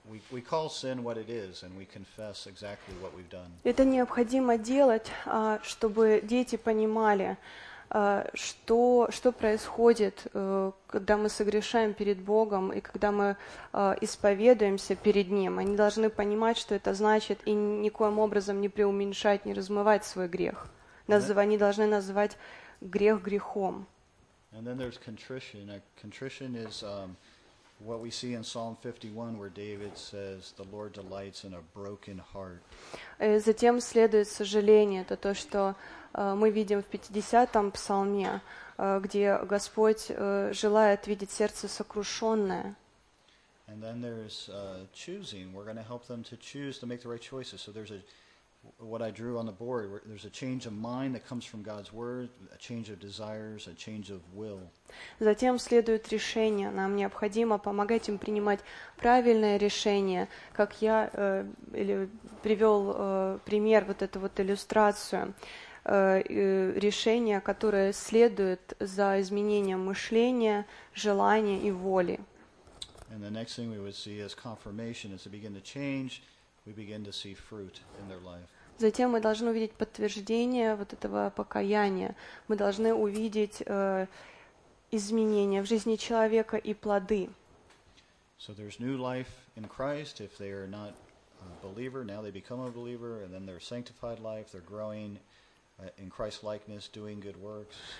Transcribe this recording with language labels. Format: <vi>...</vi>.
<en>We call sin what it is, and we confess exactly what we've done.</en> <ru>Это необходимо делать, чтобы дети понимали, что происходит, когда мы согрешаем перед Богом и когда мы исповедуемся перед Ним. Они должны понимать, что это значит, и никоим образом не преуменьшать, не размывать свой грех. Они должны называть грех грехом.</ru> <en>And then there's contrition. Contrition is what we see in Psalm 51, where David says, "The Lord delights in a broken heart."</en> <ru>Затем следует сожаление. Это то, что мы видим в 50-м псалме, где Господь желает видеть сердце сокрушенное.</ru> <en>And then there's choosing. We're going to help them to choose, to make the right choices. So there's what I drew on the board, there's a change of mind that comes from God's word, a change of desires, a change of will.</en> <ru>Затем следует решение. Нам необходимо помогать им принимать правильное решение, как я привел пример, вот эту вот иллюстрацию. Решение, которое следует за изменением мышления, желания и воли.</ru> <en>And the next thing we would see is confirmation. As they begin to change, we begin to see fruit in their life.</en> <ru>Затем мы должны увидеть подтверждение вот этого покаяния. Мы должны увидеть изменения в жизни человека и плоды.</ru> <en>So there's new life in Christ. If they are not a believer, now they become a believer, and then they're sanctified life, they're growing in Christ's likeness, doing good works.</en>